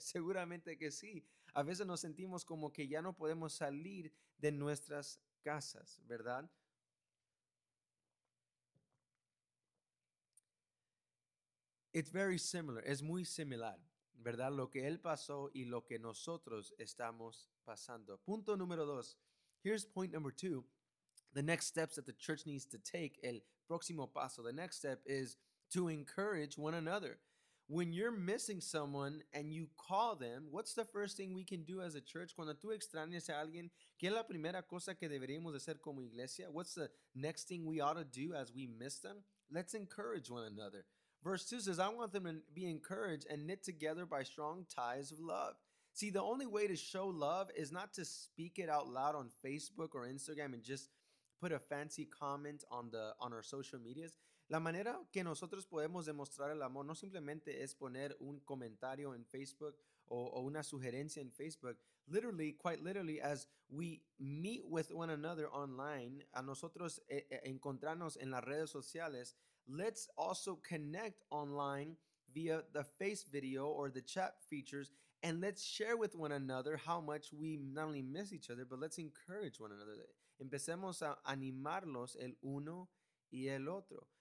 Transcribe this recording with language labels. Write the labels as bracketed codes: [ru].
[es] Seguramente que sí. A veces nos sentimos como que ya no podemos salir de nuestras casas, ¿verdad? [en] It's very similar. [es] Es muy similar, ¿verdad? Lo que él pasó y lo que nosotros estamos pasando. Punto número dos. [en] Here's point number two. The next steps that the church needs to take, [es] el próximo paso, [en] the next step is to encourage one another. When you're missing someone and you call them, what's the first thing we can do as a church? [es] Cuando tú extrañas a alguien, ¿qué es la primera cosa que deberíamos hacer como iglesia? [en] What's the next thing we ought to do as we miss them? Let's encourage one another. Verse 2 says, I want them to be encouraged and knit together by strong ties of love. See, the only way to show love is not to speak it out loud on Facebook or Instagram and just put a fancy comment on our social medias. [es] La manera que nosotros podemos demostrar el amor no simplemente es poner un comentario en Facebook o una sugerencia en Facebook. [en] Literally, quite literally, as we meet with one another online, [es] a nosotros encontrarnos en las redes sociales, [en] let's also connect online via the face video or the chat features, and let's share with one another how much we not only miss each other, but let's encourage one another. [es] Empecemos a animarlos el uno y el otro.